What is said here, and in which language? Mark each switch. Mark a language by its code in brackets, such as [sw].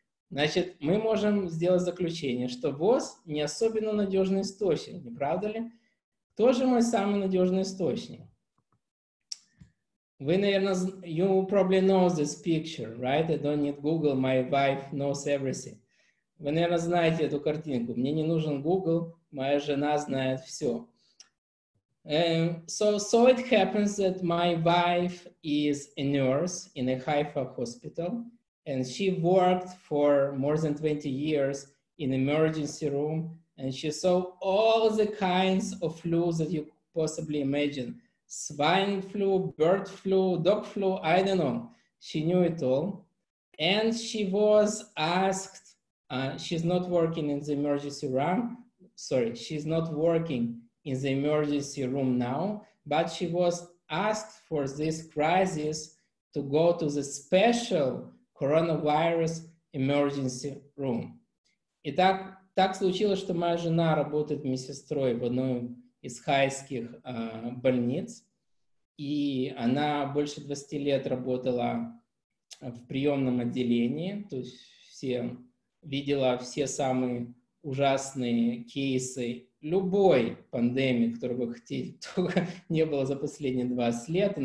[ru] Значит, мы можем сделать заключение, что ВОЗ не особенно надежный источник, не правда ли? Кто же мой самый надежный источник? Вы, наверное, [en] you probably know this picture, right? I don't need Google, my wife knows everything. [ru] Вы, наверное, знаете эту картинку. Мне не нужен Google, моя жена знает все. [en] So it happens that my wife is a nurse in a Haifa hospital, and she worked for more than 20 years in emergency room, and she saw all the kinds of flu that you possibly imagine. Swine flu, bird flu, dog flu, I don't know. She knew it all. And she was asked, she's not working in the emergency room now, but she was asked for this crisis to go to the special coronavirus emergency room. [ru] Итак, так случилось, что моя жена работает медсестрой в одной из хайских больниц, и она больше 20 лет работала в приемном отделении, то есть все видела все самые ужасные кейсы любой пандемии, которую вы хотите, только не было за последние 20 лет.